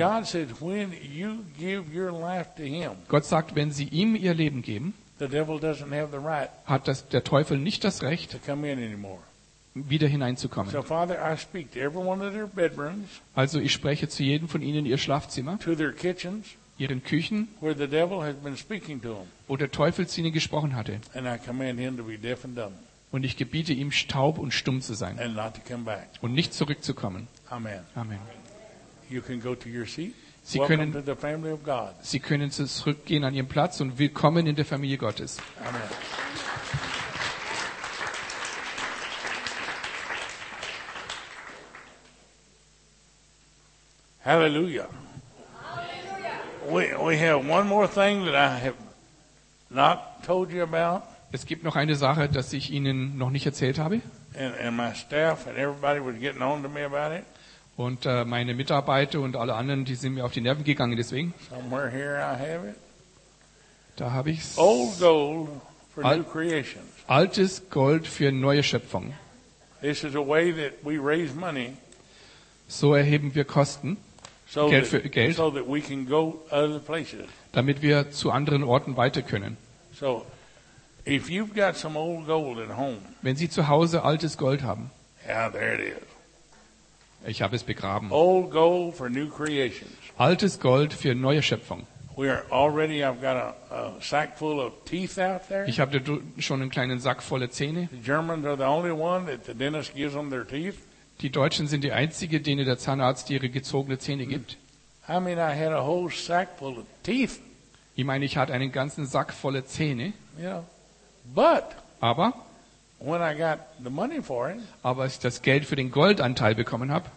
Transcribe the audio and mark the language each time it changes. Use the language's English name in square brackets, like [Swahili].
[English] God said, when you give your life to him, [German] Gott sagt, wenn sie ihm ihr Leben geben, [English] the devil doesn't have the right, [German] hat das, der Teufel nicht das Recht, [English] to come in anymore. [German] Wieder hineinzukommen. [English] So, Father, I speak to every one of their bedrooms, [German] also ich spreche zu jedem von ihnen ihr Schlafzimmer, [English] to their kitchens, [German] ihren Küchen, [English] where the devil has been speaking to them, [German] wo der Teufel zu ihnen gesprochen hatte. [English] And I command him to be deaf and dumb. [German] Und ich gebiete ihm, taub und stumm zu sein [English] and not to come back. [German] Und nicht zurückzukommen. Amen. Amen. [English] You can go to your seat. [German] Sie können, [English] to the family of God. [German] Sie können zurückgehen an ihren Platz und willkommen in der Familie Gottes. Amen. Hallelujah. Hallelujah. [English] We have one more thing that I have not told you about. [German] Es gibt noch eine Sache, dass ich Ihnen noch nicht erzählt habe. [English] And my staff and everybody was getting on to me about it. [German] Und meine Mitarbeiter und alle anderen, die sind mir auf die Nerven gegangen deswegen. [English] Somewhere here I have it. [German] Da habe ich es. [English] Old gold for new creations. [German] Altes Gold für neue Schöpfung. [English] This is a way that we raise money. [German] So erheben wir Kosten, so Geld für Geld, [English] so that we can go other places. [German] Damit wir zu anderen Orten weiter können. [English] So, if you've got some old gold at home, [German] wenn Sie zu Hause altes Gold haben, [English] yeah, there it is. [German] Ich habe es begraben. [English] Old gold for new creations. [German] Altes Gold für neue Schöpfung. [English] We are already, I've got a sack full of teeth out there. [German] Ich habe schon einen kleinen Sack voller Zähne. [English] The Germans are the only one that the dentist gives them their teeth. [German] Die Deutschen sind die einzigen, denen der Zahnarzt ihre gezogene Zähne gibt. [English] I mean, I had a whole sack full of teeth. [German] Ich meine, ich hatte einen ganzen Sack voller Zähne. [English] Yeah. But, [German] aber, [English] when I got the money for it, [German] aber als ich das Geld für den Goldanteil bekommen habe,